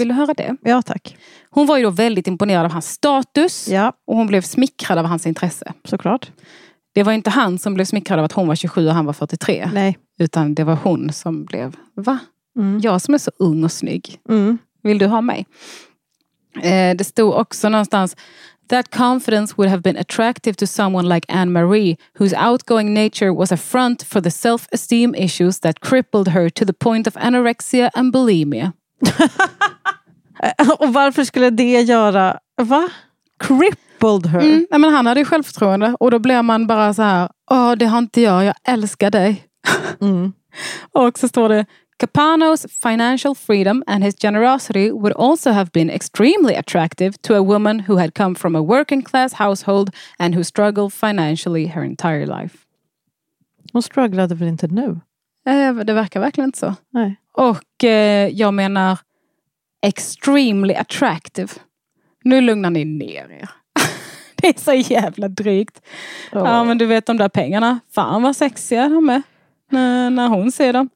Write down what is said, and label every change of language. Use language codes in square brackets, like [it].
[sv] Vill du höra det? Ja, tack. Hon var ju då väldigt imponerad av hans status. Ja. Och hon blev smickrad av hans intresse. Såklart. Det var inte han som blev smickrad av att hon var 27 och han var 43. Nej. Utan det var hon som blev, va? Mm. Jag som är så ung och snygg. Mm. Vill du ha mig? Det stod också någonstans, [en] that confidence would have been attractive to someone like Anne-Marie, whose outgoing nature was a front for the self-esteem issues that crippled her to the point of anorexia and bulimia. [sv] Och varför skulle det göra, va? [en] Crippled her? [sv] Mm, nej, men han hade ju självförtroende. Och då blev man bara så här, åh, det har inte jag, jag älskar dig. Mm. Och så står det, [en] Capano's financial freedom and his generosity would also have been extremely attractive to a woman who had come from a working class household and who struggled financially her entire life. [sv] Hon strugglade väl inte nu? Det verkar verkligen inte så. Nej. Och jag menar [en] extremely attractive. [sv] Nu lugnar ni ner er. Det är så jävla drygt. Oh. Ja, men du vet de där pengarna. Fan vad sexiga de är. När hon ser dem.